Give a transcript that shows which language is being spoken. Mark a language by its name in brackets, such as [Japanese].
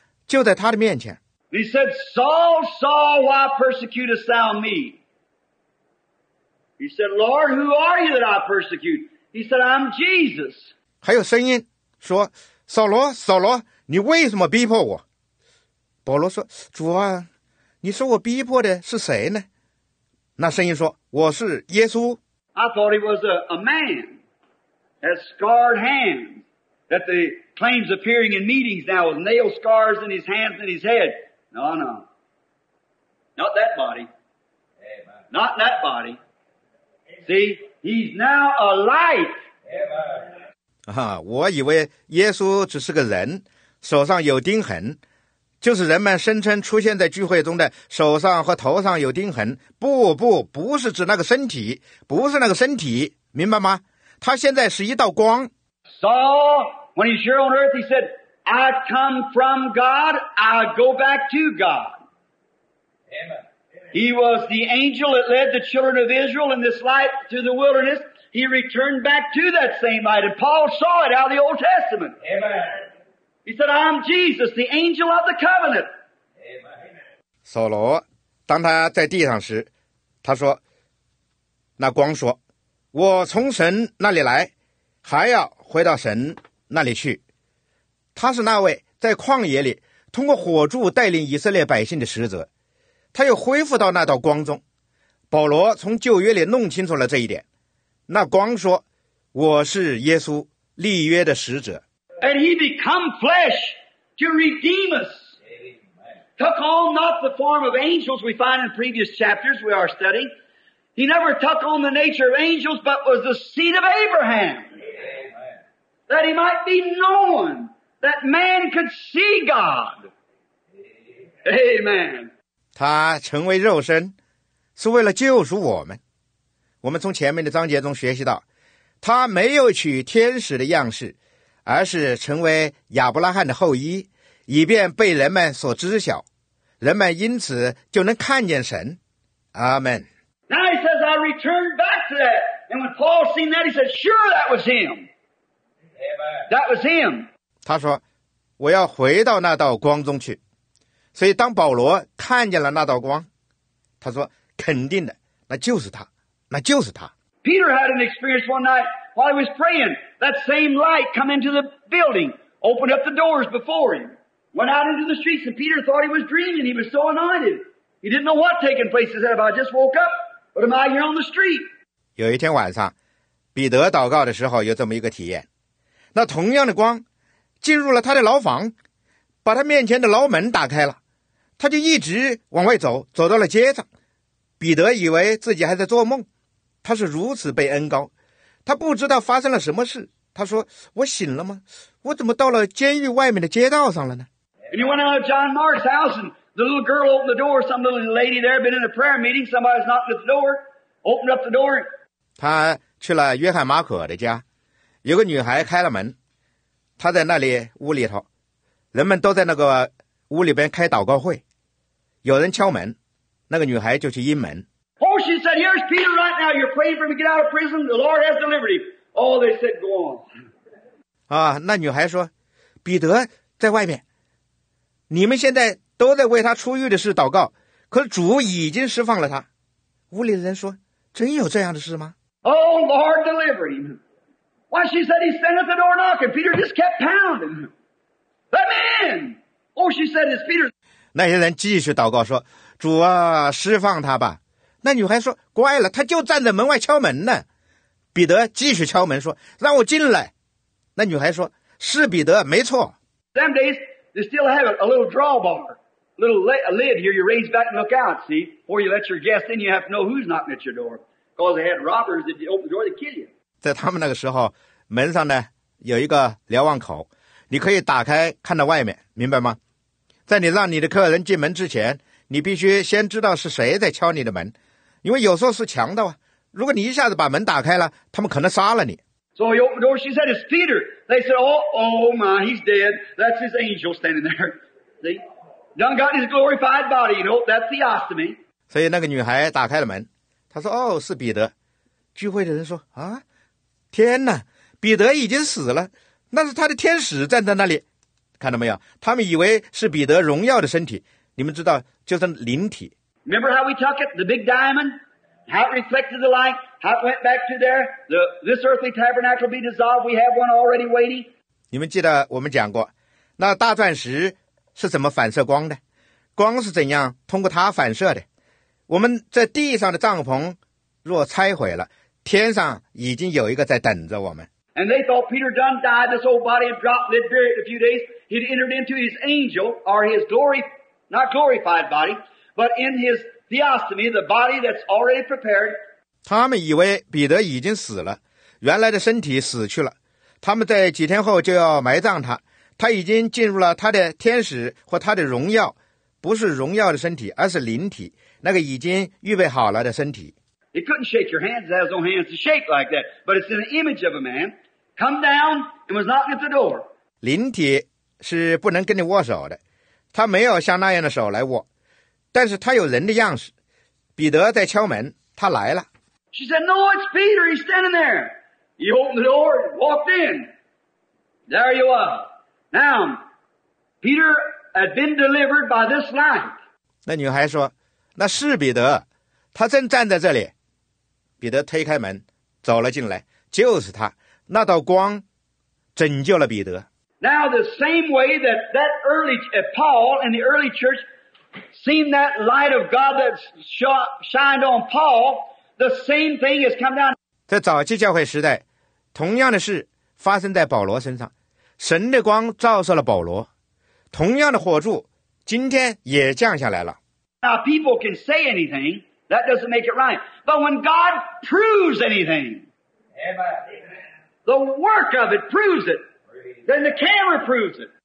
[Chinese] 就在他的面前。 [English] He said, Saul, Saul, why persecutest thou me? He said, Lord, who are you that I persecute? He said, I'm Jesus. [Chinese] 还有声音说，扫罗，扫罗，你为什么逼迫我？保罗说，主啊，你说我逼迫的是谁呢？那声音说，我是耶稣。 [English] I thought he was a man, has scarred hands, that the claims appearing in meetings now with nail scars in his hands and his head. No, no. Not that body. Amen. Not that body. See, he's now alive. Amen. [Chinese] 我以为耶稣只是个人，手上有钉痕，就是人们声称出现在聚会中的手上和头上有钉痕。不不，不是指那个身体，不是那个身体，明白吗？他现在是一道光。 [English] Saul, when he's here on earth, he said, I come from God, I go back to God. Amen. He was the angel that led the children of Israel in this light to the wilderness. He returned back to that same light. And Paul saw it out of the Old Testament. Amen. He said, I'm Jesus, the angel of the covenant. Amen. [Chinese] 扫罗当他在地上时，他说，那光说，我从神那里来，还要回到神那里去。他是那位在旷野里通过火柱带领以色列百姓的使者，他又恢复到那道光中。保罗从旧约里弄清楚了这一点，那光说，我是耶稣立约的使者。 [English] And he become flesh to redeem us. Took on not the form of angels we find in previous chapters we are studying. He never took on the nature of angels but was the seed of Abraham. That he might be known, that man could see God. Amen. [Chinese] 他成为肉身，是为了救赎我们。我们从前面的章节中学习到，他没有取天使的样式，而是成为亚伯拉罕的后裔，以便被人们所知晓，人们因此就能看见神。 [English] Amen. Now he says, I returned back to that. And when Paul seen that, he said, sure, that was him. That was him. [Chinese] 他说，我要回到那道光中去。所以当保罗看见了那道光，他说，肯定的，那就是他，那就是他。 [English] Peter had an experience one night while he was praying. That same light come into the building, opened up the doors before him, went out into the streets, and Peter thought he was dreaming. He was so anointed. He didn't know what taking place is. I just woke up. What am I here on the street? [Chinese] 有一天晚上，彼得祷告的时候有这么一个体验。那同样的光进入了他的牢房，把他面前的牢门打开了，他就一直往外走，走到了街上。彼得以为自己还在做梦，他是如此被恩膏，他不知道发生了什么事。他说，我醒了吗？我怎么到了监狱外面的街道上了呢？ [English] And he went out of John Mark's house, and the little girl opened the door, some little lady there had been in a prayer meeting, somebody's knocking at the door, opened up the door. [Chinese] 他去了约翰马可的家，有个女孩开了门，她在那里屋里头，人们都在那个屋里边开祷告会，有人敲门，那个女孩就去应门。 [English] Oh, she said, here's Peter right now, you're praying for him to get out of prison, the Lord has delivered him. Oh, they said, go on. [Chinese] 啊，那女孩说，彼得在外面，你们现在都在为他出狱的事祷告，可主已经释放了他。屋里的人说，真有这样的事吗？ [English] Oh, Lord, deliver him. Why, she said, he stand at the door knocking, Peter just kept pounding. Let me in. Oh, she said, it's Peter. [Chinese] 那些人继续祷告说，主啊，释放他吧。那女孩说，乖了，他就站在门外敲门呢。彼得继续敲门说，让我进来。那女孩说，是彼得，没错。 [English] Some days, they still have a little drawbar, a little lid here, you raise back and look out, see? Before you let your guest in, you have to know who's knocking at your door. Because they had robbers, if you open the door, they kill you. [Chinese] 在他们那个时候，门上呢，有一个瞭望口，你可以打开看到外面，明白吗？在你让你的客人进门之前，你必须先知道是谁在敲你的门，因为有时候是强盗啊。如果你一下子把门打开了，他们可能杀了你。 [English] So he opened the door, she said, it's Peter. They said, oh my, he's dead. That's his angel standing there. See? Done got his glorified body, you know, that's the ostomy. [Chinese] 所以那个女孩打开了门，她说，哦，是彼得。聚会的人说，啊，天哪，彼得已经死了，那是他的天使站在那里。看到没有，他们以为是彼得荣耀的身体，你们知道，就是灵体。 [English] Remember how we took it, the big diamond? How it reflected the light, how it went back to there, this earthly tabernacle will be dissolved, we have one already waiting. [Chinese] 你们记得我们讲过，那大钻石是怎么反射光的？光是怎样通过它反射的？我们在地上的帐篷若拆毁了，天上已经有一个在等着我们。 [English] And they thought Peter done died, this old body had dropped, lived buried a few days, he'd entered into his angel, or his glory, not glorified body, but in his theostomy, the body that's already prepared. [Chinese] 他们以为彼得已经死了，原来的身体死去了，他们在几天后就要埋葬他，他已经进入了他的天使或他的荣耀，不是荣耀的身体，而是灵体，那个已经预备好了的身体。 [English] He couldn't shake your hands, he has no hands to shake like that. But it's an image of a man. Come down and was knocking at the door. [Chinese] 灵体是不能跟你握手的，他没有像那样的手来握，但是他有人的样式。彼得在敲门，他来了。 [English] She said, no, it's Peter, he's standing there. He opened the door, walked in. There you are. Now, Peter had been delivered by this light. [Chinese] 那女孩说，那是彼得。他正站在这里，彼得推开门走了进来，就是他，那道光拯救了彼得。 [English] Now the same way that early Paul in the early church seen that light of God that shined on Paul, the same thing has come down. [Chinese] 在早期教会时代，同样的事发生在保罗身上，神的光照射了保罗，同样的火柱今天也降下来了。 [English] Now people can say anything. That doesn't make it right. But when God proves anything, the work of it proves it, then the camera proves it.